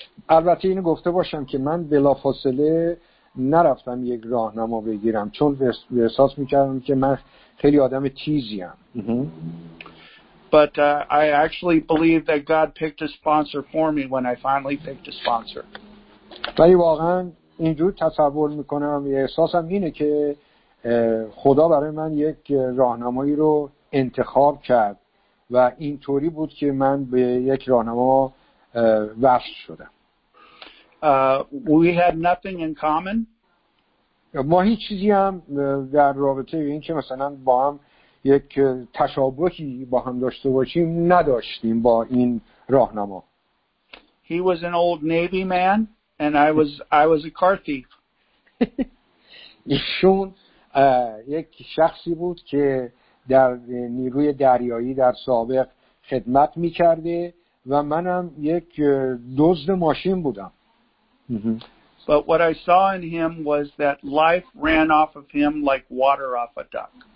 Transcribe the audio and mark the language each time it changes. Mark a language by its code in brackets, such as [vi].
[fa] البته اینو گفته باشم که من بلافاصله نرفتم یک راهنما بگیرم چون احساس می‌کردم که من خیلی آدم تیزیم. [en] But I actually believe that God picked a sponsor for me when I finally picked a sponsor. [fa] ولی واقعا اینجور تصور میکنم و احساسم اینه که خدا برای من یک راهنمایی رو انتخاب کرد و اینطوری بود که من به یک راهنما وصل شدم. [en] We had nothing in common. [fa] ما هیچ چیزی هم در رابطه این که مثلا با هم یک تشابهی با هم داشته باشیم نداشتیم با این راهنما. [en] He was an old navy man and I was a car thief. [fa] ایشون یک شخصی بود که در نیروی دریایی در سابق خدمت می‌کرده و منم یک دزد ماشین بودم. [en] But what I saw in him was that life ran off of him like water off a duck.